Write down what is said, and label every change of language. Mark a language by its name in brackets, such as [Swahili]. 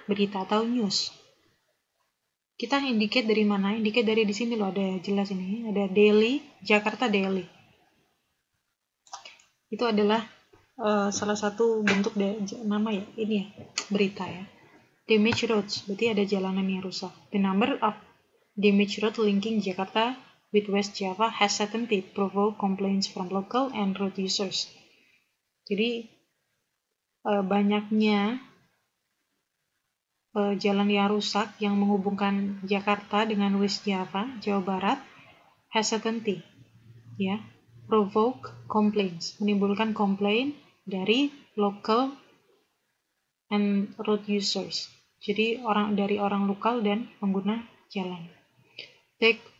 [Indonesian] Berita atau news. Kita indicate dari mana? Indicate dari di sini loh, ada jelas ini. Ada daily, Jakarta daily. Itu adalah salah satu bentuk nama ya. Ini ya, berita ya. [English] Damage roads, [Indonesian] berarti ada jalanan yang rusak. [English] The number of damage road linking Jakarta with West Java has certainly provoked complaints from local and road users. [Indonesian] Jadi, banyaknya jalan yang rusak yang menghubungkan Jakarta dengan West Java, Jawa Barat, [English] has certainly, [Indonesian] ya, [English] provoke complaints, [Indonesian] menimbulkan komplain dari [English] local and road users. [Indonesian] Jadi orang dari orang lokal dan pengguna jalan. Take